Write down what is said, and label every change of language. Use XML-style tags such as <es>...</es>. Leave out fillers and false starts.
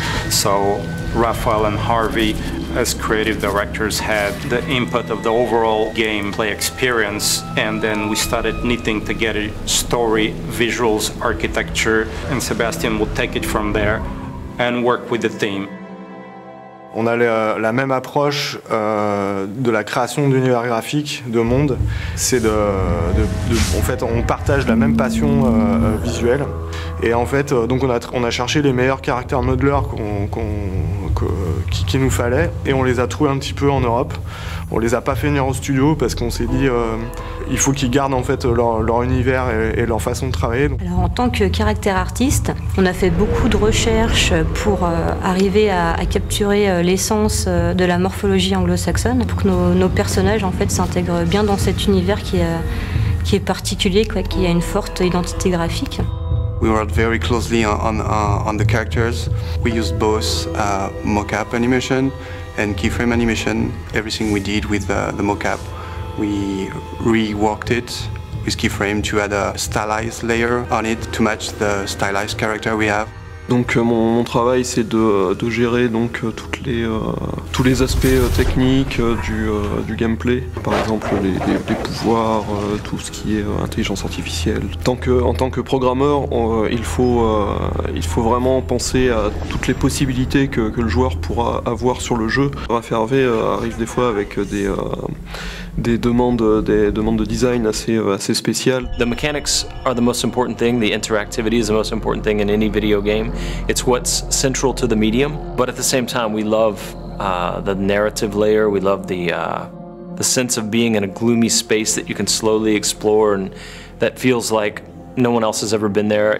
<en>So Raphael and Harvey, as creative directors, had the input of the overall gameplay experience, and then we started knitting together story, visuals, architecture, and Sebastian would take it from there and work with the theme.</en> <fr>On a la même approche de la création d'univers graphiques, de monde. C'est de en fait, on partage la même passion visuelle. Et en fait, donc on a cherché les meilleurs caractères modeleurs qu'il nous fallait, et on les a trouvés un petit peu en Europe. On les a pas fait venir au studio parce qu'on s'est dit il faut qu'ils gardent en fait leur univers et leur façon de travailler. Alors, en tant que caractère artiste, on a fait beaucoup de recherches pour arriver à capturer l'essence de la morphologie anglo-saxonne pour que nos personnages en fait s'intègrent bien dans cet univers qui est particulier, quoi, qui a une forte identité graphique.</fr> <en>We worked very closely on the characters. We used both mocap animation and keyframe animation. Everything we did with the mocap, we reworked it with keyframe to add a stylized layer on it to match the stylized character we have.</en> <fr>Donc mon travail, c'est de gérer donc tous les aspects techniques du gameplay, par exemple les pouvoirs, tout ce qui est intelligence artificielle. En tant que programmeur, il faut vraiment penser à toutes les possibilités que le joueur pourra avoir sur le jeu. Raph Hervé arrive des fois avec des demandes de design assez spéciales.</fr> <en>The mechanics are the most important thing. The interactivity is the most important thing in any video game. It's what's central to the medium. But at the same time, we love the narrative layer. We love the sense of being in a gloomy space that you can slowly explore and that feels like no one else has ever been there.</en>